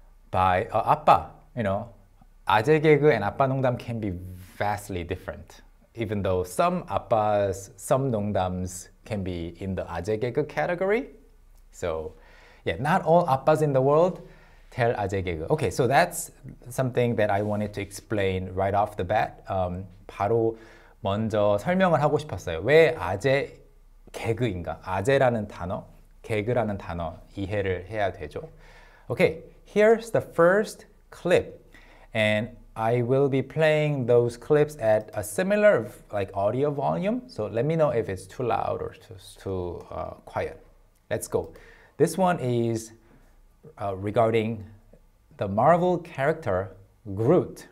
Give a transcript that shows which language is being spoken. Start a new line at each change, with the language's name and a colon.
English: by 아빠, you know, 아재 개그 and 아빠 농담 can be vastly different. Even though some 아빠's, some 농담s can be in the 아재 개그 category. So, yeah, not all 아빠s in the world tell 아재 개그. Okay, so that's something that I wanted to explain right off the bat.
Korean: 바로 먼저 설명을 하고 싶었어요. 왜 아재 개그인가? 아재라는 단어, 개그라는 단어 이해를 해야 되죠.
English: Okay, here's the first clip. And I will be playing those clips at a similar like audio volume. So let me know if it's too loud or too quiet. Let's go. This one is regarding the Marvel character Groot.